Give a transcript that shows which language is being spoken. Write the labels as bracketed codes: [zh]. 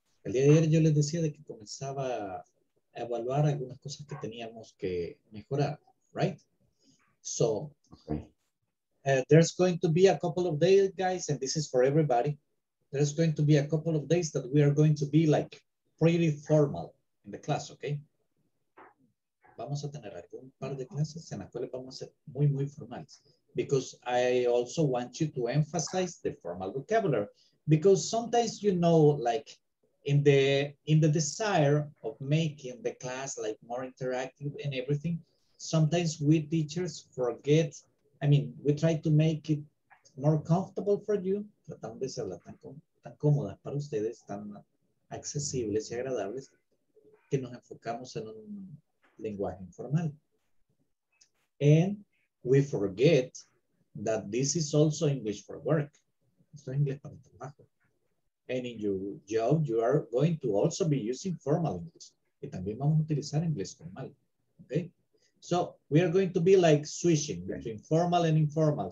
[es] El día de ayer yo les decía de que comenzaba a evaluar algunas cosas que teníamos que mejorar, right? [en] So, there's going to be a couple of days, guys, and this is for everybody. There's going to be a couple of days that we are going to be like pretty formal in the class, okay? [es] Vamos a tener algún par de clases en las cuales vamos a ser muy, muy formales. [en] Because I also want you to emphasize the formal vocabulary. Because sometimes, you know, like in the desire of making the class like more interactive and everything, sometimes we teachers forget, I mean, we try to make it more comfortable for you. [es] Tratamos de hacerla tan cómoda para ustedes, tan accesibles y agradables, que nos enfocamos en un lenguaje informal. [en] And we forget that this is also English for work. [es] Esto es inglés para el trabajo. [en] And in your job, you are going to also be using formal English. [es] Y también vamos a utilizar inglés formal. [en] Okay? So we are going to be like switching between formal and informal.